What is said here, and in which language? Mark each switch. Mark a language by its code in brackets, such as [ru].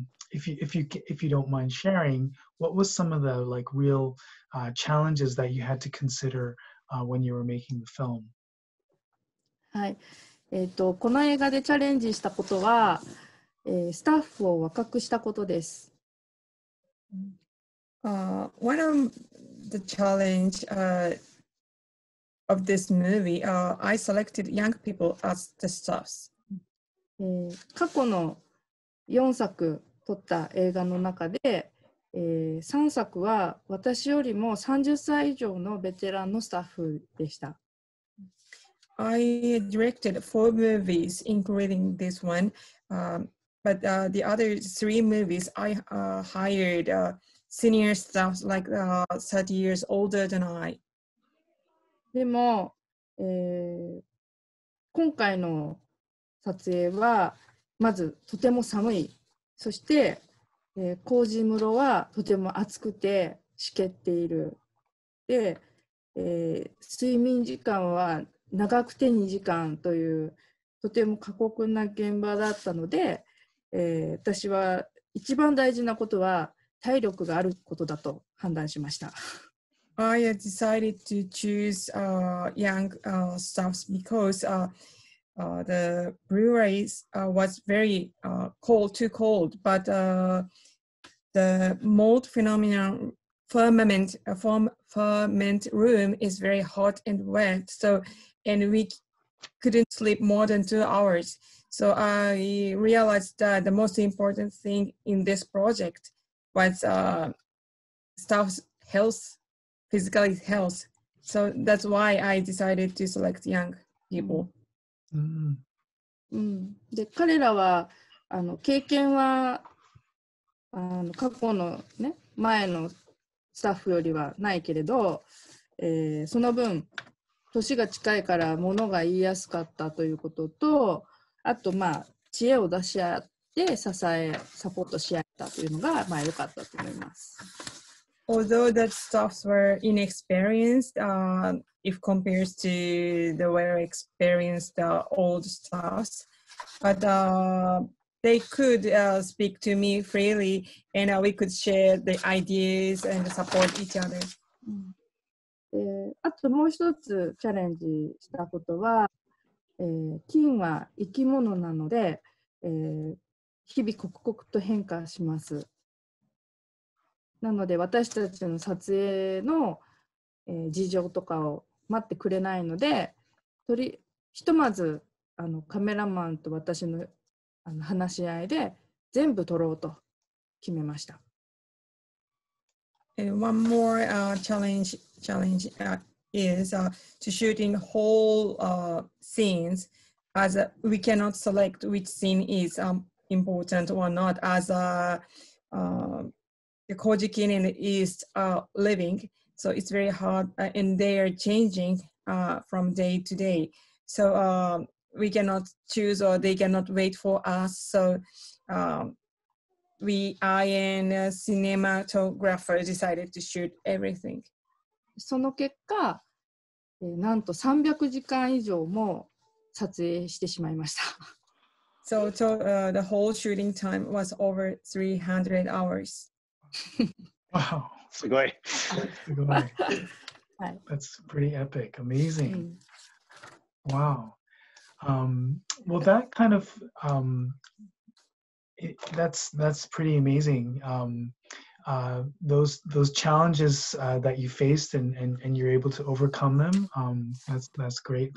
[en] If you don't mind sharing, what was some of the like real challenges that you had to consider when you were making the film? [ja] はい、この映画でチャレンジしたことは、スタッフを若くしたことです。 [en] One of the challenge of this movie, I selected young people as the staffs. [ja] 過去の4作撮った映画の中で、3作は私よりも30歳以上のベテランのスタッフでした。 [en] I directed 4 movies, including this one, but the other 3 movies I hired senior staff like 30 years older than I. [ja] でも、今回の撮影はまずとても寒い、そして、麹室はとても暑くて湿っている。で、睡眠時間は長くて2時間というとても過酷な現場だったので、私は一番大事なことは体力があることだと判断しました。 [en] I decided to choose young staffs because the breweries was very cold, too cold, but the mold phenomenon, ferment room is very hot and wet, so, and we couldn't sleep more than 2 hours. So I realized that the most important thing in this project was staff's health, physical health. So that's why I decided to select young people. [ja] うん、で彼らは経験は過去のね前のスタッフよりはないけれど、その分年が近いから物が言いやすかったということと、あとまあ知恵を出し合って支えサポートし合ったというのがまあ良かったと思います。 [en] Although that staffs were inexperienced if compares to the very experienced old staffs. But they could speak to me freely and we could share the ideas and support each other. [ja] あともう一つチャレンジしたことは、菌は生き物なので、日々刻々と変化します。なので私たちの撮影の、事情とかを待ってくれないので、ひとまずあのカメラマンと私 の, あの話し合いで全部撮ろうと決めました。 [en] And one more、challenge、is、to shoot in whole、scenes as a, we cannot select which scene is、important or not as a、the Koji Kinin is、living so it's very hard、and they are changing、from day to day so、we cannot choose or they cannot wait for us so、we I and a cinematographer decided to shoot everything [ja] その結果、なんと300時間以上も撮影してしまいました。 [en] So, so、the whole shooting time was over 300 hours. Wow, [ja] すごい。すごい。 [en] That's pretty epic, amazing. Wow.、well, that kind of,、that's pretty amazing.、those challenges、that you faced and you're able to overcome them,、that's great.